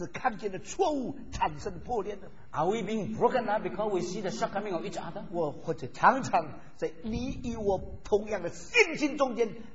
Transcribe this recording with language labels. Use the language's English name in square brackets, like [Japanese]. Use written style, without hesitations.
[Chinese] 我们常常因为弟兄姊妹彼此看见的错误产生破裂, [English] are we being broken up because we see the shortcoming of each other? [Chinese] 或者常常在你与我同样的信心中间,